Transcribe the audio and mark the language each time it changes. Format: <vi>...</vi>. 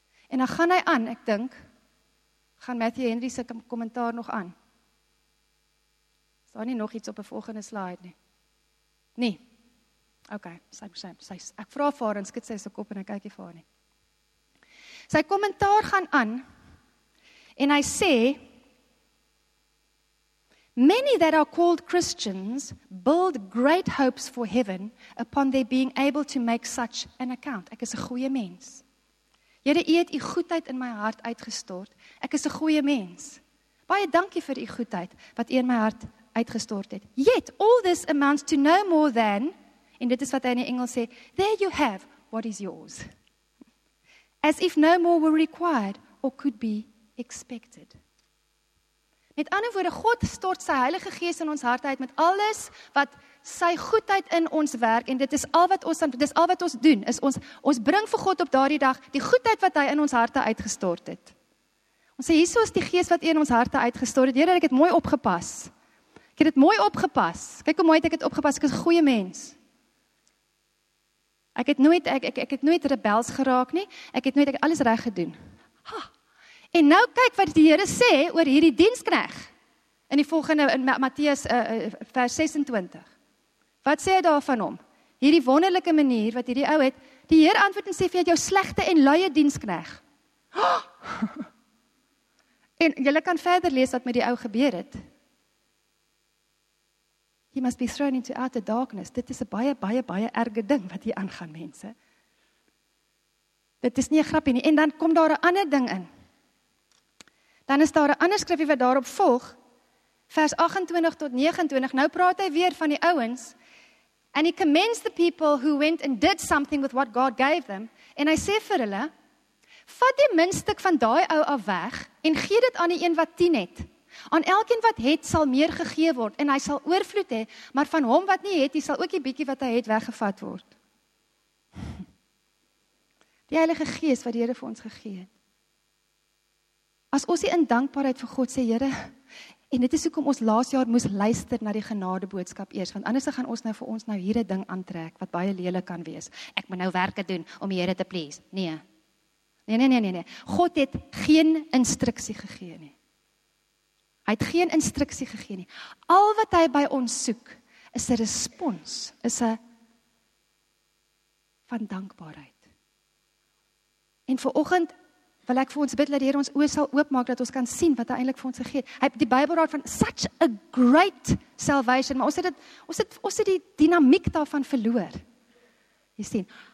<af>En dan gaan hy aan, ek dink, gaan Matthew Henry se kommentaar nog aan. Is daar nie nog iets op die volgende slide nie? Nee. Oké, okay, sy, ek vraag vir haar en skit sy sy kop en ek kyk hier vir haar nie. Sy kommentaar gaan aan en hy sê,</af> <en>many that are called Christians build great hopes for heaven upon their being able to make such an account.</en> <af>Ek is 'n goeie mens. Here, U het U goedheid in my hart uitgestort. Ek is 'n goeie mens. Baie dankie vir U goedheid wat U in my hart uitgestort het.</af> <en>Yet, all this amounts to no more than,</en> <af>en dit is wat hy in die Engels sê,</af> <en>there you have what is yours. As if no more were required or could be expected.</en> <af>Met ander woorde, God stort sy Heilige Gees in ons hart uit met alles wat sy goedheid in ons werk en dit is al wat ons dan dis al wat ons doen is ons bring vir God op daardie dag die goedheid wat hy in ons harte uitgestort het. Ons sê hierso is die Gees wat in ons harte uitgestort het. Here, ek het mooi opgepas. Ek het dit mooi opgepas. Kyk hoe mooi het ek dit opgepas. Ek is 'n goeie mens. Ek het nooit rebels geraak nie. Ek het alles reg gedoen. Ha. En nou kyk wat die Here sê oor hierdie dienskneg. In die volgende in Matteus vers 26. Wat sê hy daarvan hom? Hierdie wonderlike manier wat hierdie ou het, die Heer antwoord en sê vir jou slegte en luie dienskneg. En julle kan verder lees wat met die ou gebeur het.</af> <en>He must be thrown into outer darkness.</en> <af>Dit is 'n baie, baie, baie erge ding wat hier aangaan, mense. Dit is nie 'n grapie nie. En dan kom daar 'n ander ding in. Dan is daar 'n ander skrifie wat daarop volg. Vers 28 tot 29. Nou praat hy weer van die ouens.</af> <en>And he commends the people who went and did something with what God gave them.</en> <af>En hy sê vir hulle, vat die minstuk van daai ou af weg en gee dit aan die een wat 10 het. Aan elkeen wat het sal meer gegee word en hy sal oorvloed hê, maar van hom wat nie het, hy sal ook die bietjie wat hy het weggevat word. Die Heilige Gees wat die Here vir ons gegee het. As ons in dankbaarheid vir God sê, Here, en dit is hoekom ons laas jaar moes luister na die genadeboodskap eers, want anders gaan ons nou vir ons nou hierdie ding aantrek, wat baie lelik kan wees. Ek moet nou werke doen om die Here te please. Nee. God het geen instruksie gegee nie. Hy het geen instruksie gegee nie. Al wat hy by ons soek, is 'n respons, is 'n van dankbaarheid. En vanoggend wil ek vir ons bid dat die Here ons oë sal oopmaak, dat ons kan sien wat hy eintlik vir ons gegee het. Hy het die Bybel raad van</af> <en>such a great salvation,</en> <af>maar ons het die dinamiek daarvan verloor. Jy sien.</af>